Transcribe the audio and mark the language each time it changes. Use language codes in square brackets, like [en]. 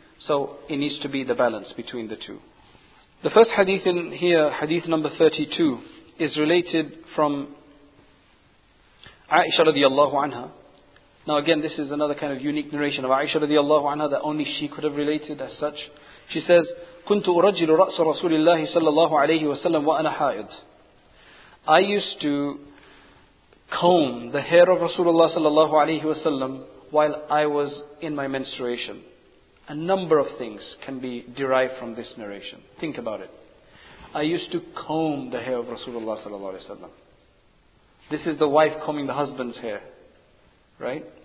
[en] So it needs to be the balance between the two. The first hadith in here, hadith number 32, is related from Aisha radiallahu anha. Now again, this is another kind of unique narration of Aisha radiallahu anha that only she could have related as such. She says, [ar] كُنْتُ أُرَجِّلُ رَأْسُ رَسُولِ اللَّهِ صَلَّى اللَّهُ عَلَيْهِ وَسَلَّمْ وَأَنَا حَائِدُ. [en] I used to comb the hair of Rasulullah sallallahu alayhi wa sallam while I was in my menstruation. A number of things can be derived from this narration. Think about it. I used to comb the hair of Rasulullah sallallahu alayhi wa sallam. This is the wife combing the husband's hair. Right?